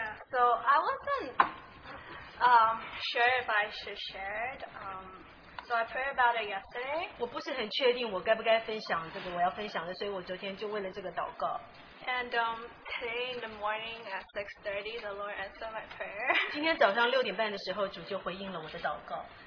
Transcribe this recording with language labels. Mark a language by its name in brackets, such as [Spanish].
[English] so I wasn't sure if I should share it. So I prayed about it yesterday. [Chinese] 我不是很确定我该不该分享这个我要分享的，所以我昨天就为了这个祷告。 [English] And today in the morning at 6:30, the Lord answered my prayer. [Chinese] 今天早上6点半的时候，主就回应了我的祷告。